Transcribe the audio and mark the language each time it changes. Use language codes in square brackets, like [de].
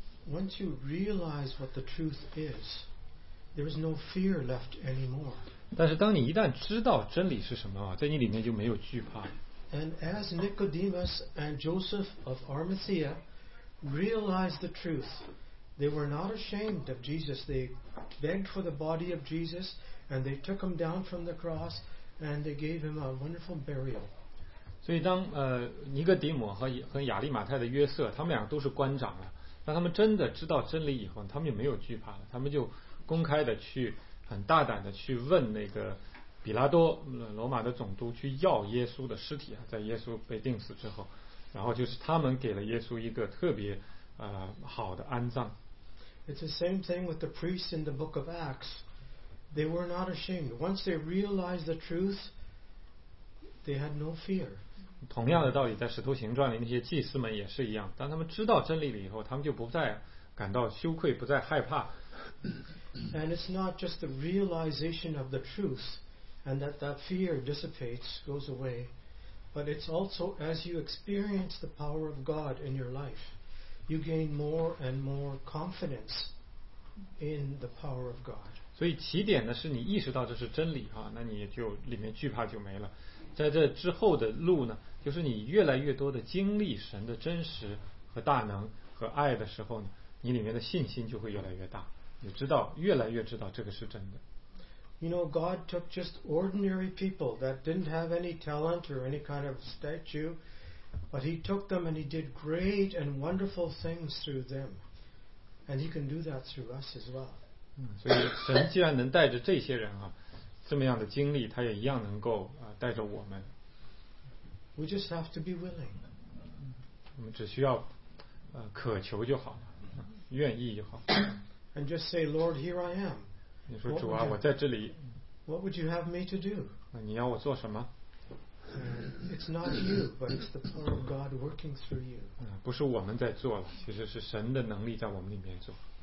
[en] Once you realize what the truth is, there is no fear left anymore. [zh] 但是当你一旦知道真理是什么，在你里面就没有惧怕。 [en] And as Nicodemus and Joseph of Arimathea. Realized the truth. They were not ashamed of Jesus. They begged for the body of Jesus, and they took him down from the cross, and they gave him a wonderful burial. [zh] 所以当尼哥底母和亚利马太的约瑟，他们两个都是官长了。当他们真的知道真理以后，他们就没有惧怕了。他们就公开的去很大胆的去问那个比拉多，罗马的总督，去要耶稣的尸体啊，在耶稣被钉死之后，然后就是他们给了耶稣一个特别好的安葬。 [en] It's the same thing with the priests in the book of Acts. They were not ashamed. Once they realized the truth, they had no fear. [zh] 同样的道理，在《使徒行传》里那些祭司们也是一样。当他们知道真理了以后，他们就不再感到羞愧，不再害怕。 [en] And it's not just the realization of the truth, and that fear dissipates, goes away, but it's also as you experience the power of God in your life. You gain more and more confidence in the power of God. [zh] 所以起点呢，是你意识到这是真理哈，那你就里面惧怕就没了。在这之后的路呢，就是你越来越多的经历神的真实和大能和爱的时候呢，你里面的信心就会越来越大，你知道越来越知道这个是真的。 [en] You know, God took just ordinary people that didn't have any talent or any kind of statue. But he took them and he did great and wonderful things through them. And he can do that through us as well. [zh] 所以神既然能带着这些人啊，这么样的经历，他也一样能够带着我们。 [en] We just have to be willing. [zh] 我们只需要渴求就好，愿意就好。 [en] And just say, Lord, here I am. [zh] 你说主啊，我在这里。 [en] What would you have me to do? [zh] 你要我做什么？ [en] It's not you, but it's the power of God working through you. [zh] 不是我们在做了，其实是神的能力在我们里面做。